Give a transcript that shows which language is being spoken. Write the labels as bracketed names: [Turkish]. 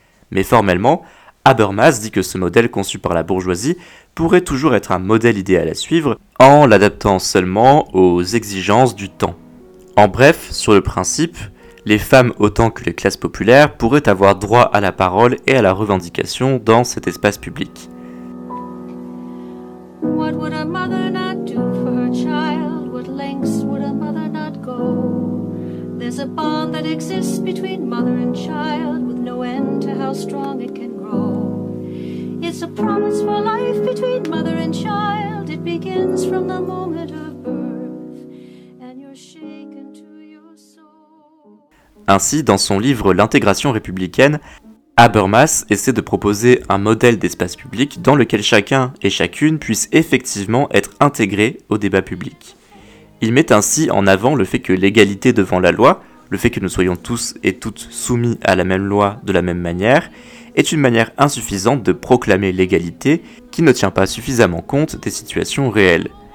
[French] Mais formellement, Habermas dit que ce modèle conçu par la bourgeoisie pourrait toujours être un modèle idéal à suivre en l'adaptant seulement aux exigences du temps. En bref, sur le principe, les femmes autant que les classes populaires pourraient avoir droit à la parole et à la revendication dans cet espace public. [English] What would a mother not do for her child? What lengths would a mother not go? There's a bond that exists between mother and child with no end to how strong it can grow. It's a promise for life between mother and child. It begins from the moment of birth and you're shaken to your soul. [French] Ainsi, dans son livre L'intégration républicaine, Habermas essaie de proposer un modèle d'espace public dans lequel chacun et chacune puisse effectivement être intégré au débat public. Il met ainsi en avant le fait que l'égalité devant la loi, le fait que nous soyons tous et toutes soumis à la même loi de la même manière, est une manière insuffisante de proclamer l'égalité qui ne tient pas suffisamment compte des situations réelles.